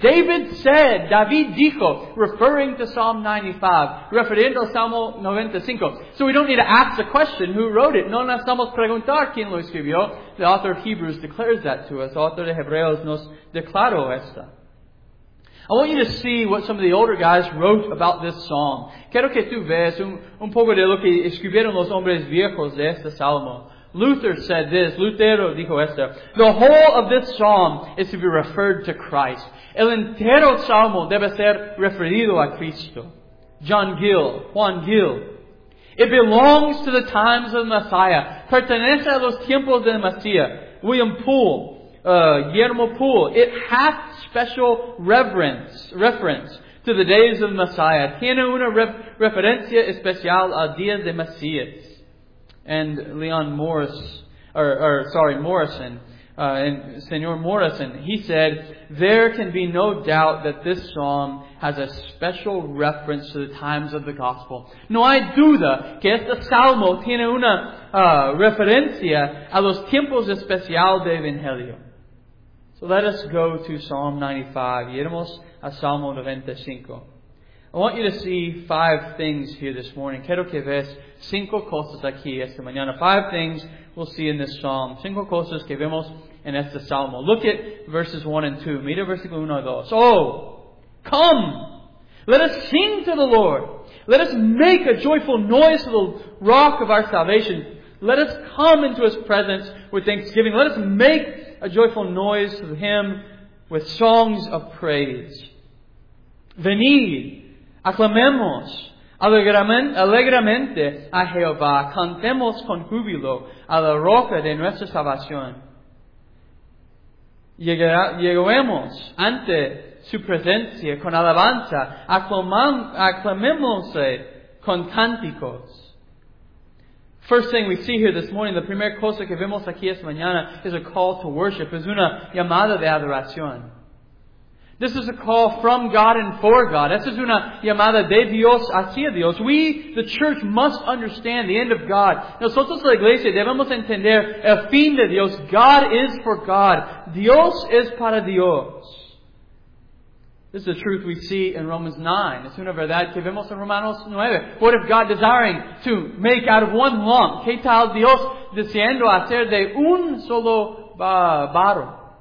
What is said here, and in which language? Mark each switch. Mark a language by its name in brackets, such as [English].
[English] David said, [Spanish] David dijo, [English] referring to Psalm 95, [Spanish] referiendo a Salmo 95. [English] So we don't need to ask the question who wrote it. [Spanish] No necesitamos preguntar quién lo escribió. [English] The author of Hebrews declares that to us. [Spanish] Autor de Hebreos nos declaró esta. [English] I want you to see what some of the older guys wrote about this psalm. [Spanish] Quiero que tú veas un poco de lo que escribieron los hombres viejos de este salmo. [English] Luther said this, [Spanish] Lutero dijo esto. [English] The whole of this psalm is to be referred to Christ. [Spanish] El entero salmo debe ser referido a Cristo. Juan Gill. [English] It belongs to the times of Messiah. [Spanish] Pertenece a los tiempos del Mesías. [English] William Poole. Guillermo Poole. It hath special reference to the days of Messiah. [Spanish] Tiene una referencia especial a días de Mesías. And Leon Morris, Morrison, [English] and Senor Morrison, he said, there can be no doubt that this psalm has a special reference to the times of the gospel. [Spanish] No hay duda que este salmo tiene una referencia a los tiempos especiales del Evangelio. [English] So let us go to Psalm 95. [Spanish] Iremos a Salmo 95. [English] I want you to see five things here this morning. [Spanish] Quiero que veas cinco cosas aquí esta mañana. [English] Five things we'll see in this psalm. [Spanish] Cinco cosas que vemos en este salmo. [English] Look at verses 1 and 2. [Spanish] Mira versículo 1 y 2. [English] Oh, come! Let us sing to the Lord. Let us make a joyful noise to the rock of our salvation. Let us come into His presence with thanksgiving. Let us make a joyful noise to Him with songs of praise. [Spanish] Venid, aclamemos alegremente a Jehová. Cantemos con júbilo a la roca de nuestra salvación. Lleguemos ante su presencia con alabanza. Aclamémosle con cánticos. [English] First thing we see here this morning, the [Spanish] primera cosa que vemos aquí esta mañana [English] is a call to worship. [Spanish] Es una llamada de adoración. [English] This is a call from God and for God. [Spanish] Esta es una llamada de Dios hacia Dios. [English] We, the church, must understand the end of God. [Spanish] Nosotros, la iglesia, debemos entender el fin de Dios. [English] God is for God. [Spanish] Dios es para Dios. [English] This is the truth we see in Romans 9. [Spanish] Es una verdad que vemos en Romanos 9. [English] What if God desiring to make out of one lump? [Spanish] ¿Qué tal Dios deseando hacer de un solo barro?